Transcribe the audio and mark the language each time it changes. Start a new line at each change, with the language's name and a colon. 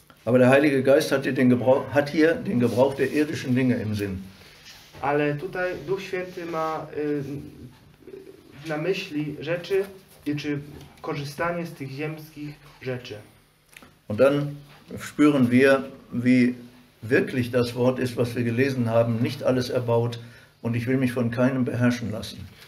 German: Aber der Heilige Geist hat hier den Gebrauch der irdischen Dinge im Sinn.
Polish: Ale tutaj Duch Święty ma na myśli rzeczy, czy korzystanie z tych ziemskich rzeczy.
German: Und dann spüren wir, wie wirklich das Wort ist, was wir gelesen haben, nicht alles erbaut und ich will mich von keinem beherrschen lassen.